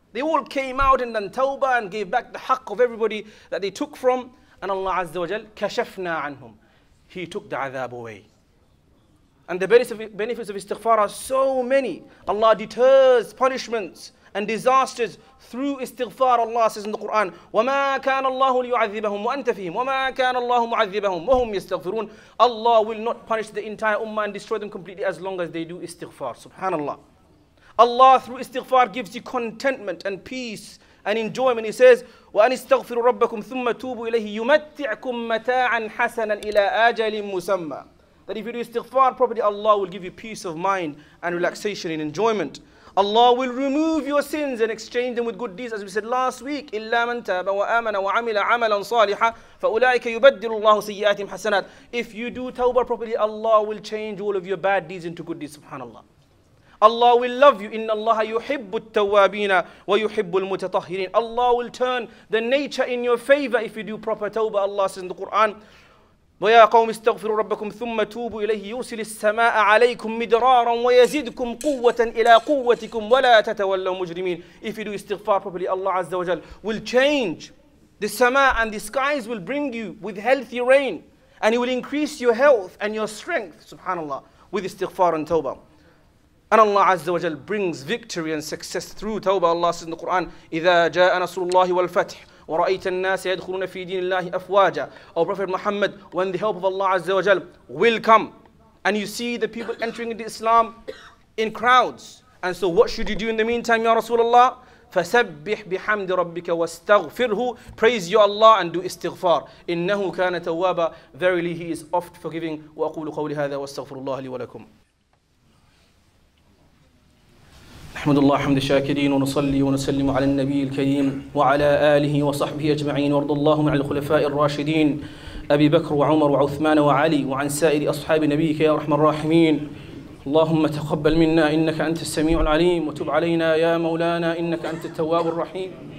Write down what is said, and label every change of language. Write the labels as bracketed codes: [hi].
[en] They all came out and then tawbah and gave back the haqq of everybody that they took from. And Allah Azza wa Jal, [ar] kashafna anhum. [en] He took the azab away. And the benefits of istighfar are so many. Allah deters punishments and disasters through istighfar. Allah says in the Quran, [ar] وَمَا كَانَ اللَّهُ لِيُعَذِّبَهُمْ وَأَنْتَ فِيهِمْ وَمَا كَانَ اللَّهُ مُعَذِّبَهُمْ وَهُمْ يَسْتَغْفِرُونَ. [en] Allah will not punish the entire ummah and destroy them completely as long as they do istighfar. Subhanallah. Allah through istighfar gives you contentment and peace and enjoyment. He says, [ar] وَأَنِ اسْتَغْفِرُ رَبَّكُمْ ثُمَّ تُوبُ إِلَيْهِ يُمَتِّعْكُمْ مَتَاعًا حَسَنًا إِلَىٰ أَجَلٍ مُسَمَّى. [en] That if you do istighfar properly, Allah will give you peace of mind and relaxation and enjoyment. Allah will remove your sins and exchange them with good deeds. As we said last week, [ar] إِلَّا مَنْ تَابَ وَآمَنَ وَعَمِلَ عَمَلًا صَالِحًا فَأُولَٰئِكَ يُبَدِّلُ اللَّهُ سَيِّئَاتِهِمْ حَسَنَاتٍ. [en] If you do tawbah properly, Allah will change all of your bad deeds into good deeds. Subhanallah. Allah will love you. [ar] إِنَّ اللَّهَ يُحِبُّ التَّوَّابِينَ وَيُحِبُّ الْمُتَطَهِّرِينَ. [en] Allah will turn the nature in your favor if you do proper tawbah. Allah says in the Quran, [ar] وَيَا قَوْمِ اسْتَغْفِرُوا رَبَّكُمْ ثُمَّ تُوبُوا إِلَيْهِ يُرْسِلِ السَّمَاءَ عَلَيْكُمْ مِدْرَارًا وَيَزِدْكُمْ قُوَّةً إِلَىٰ قُوَّتِكُمْ وَلَا تَتَوَلَّوْا مُجْرِمِينَ. [en] If you do istighfar properly, Allah Azza wa Jal will change the sama and the skies will bring you with healthy rain and He will increase your health and your strength, subhanAllah, with istighfar and tawbah. And Allah Azza wa Jal brings victory and success through tawbah. Allah says in the Quran, [ar] إِذَا جَاءَ نَصْرُ اللَّهِ وَالْفَتْحِ وَرَأَيْتَ النَّاسَ يَدْخُلُونَ فِي دِينِ اللَّهِ أَفْوَاجًا. [en] O Prophet Muhammad, when the help of Allah Azza wa Jal will come and you see the people entering into Islam in crowds, and so what should you do in the meantime, Ya Rasulullah? [ar] فَسَبِّحْ بِحَمْدِ رَبِّكَ وَاسْتَغْفِرْهُ. [en] Praise your Allah and do istighfar. [ar] إِنَّهُ كَانَ تَوَّابًا. [en] Verily He is oft forgiving. [ar] وَأَقُولُ قَوْلِ هَذَا وَاسْتَغْفِرُ اللَّهَ لِي وَلَكُمْ. الحمد لله حمد الشاكرين ونصلي ونسلم على النبي الكريم وعلى آله وصحبه أجمعين. وارض اللهم عن الخلفاء الراشدين أبي بكر وعمر وعثمان وعلي وعن سائر أصحاب نبيك يا أرحم الراحمين. اللهم تقبل منا إنك أنت السميع العليم وتب علينا يا مولانا إنك أنت التواب الرحيم.